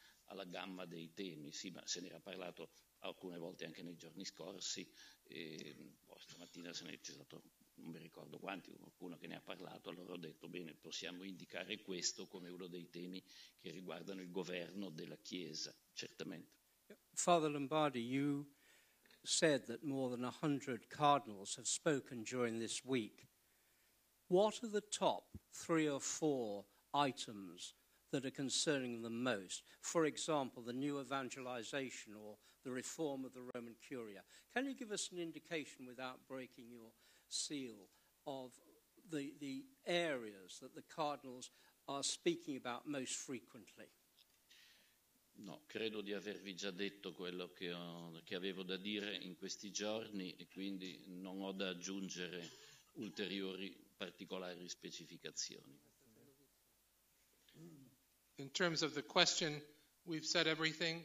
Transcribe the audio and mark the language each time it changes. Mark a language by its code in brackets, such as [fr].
[it] alla gamma dei temi, sì, ma se ne era parlato alcune volte anche nei giorni scorsi, stamattina se ne è stato, non mi ricordo quanti, qualcuno che ne ha parlato, allora ho detto bene, possiamo indicare questo come uno dei temi che riguardano il governo della Chiesa, certamente. [en] Father Lombardi, you said that more than 100 cardinals have spoken during this week. What are the top 3 or 4 items that are concerning them most? For example, the new evangelization or the reform of the Roman Curia. Can you give us an indication, without breaking your seal, of the areas that the cardinals are speaking about most frequently? [it] No, credo di avervi già detto quello che avevo da dire in questi giorni e quindi non ho da aggiungere ulteriori particolari specificazioni. [en] In terms of the question, we've said everything.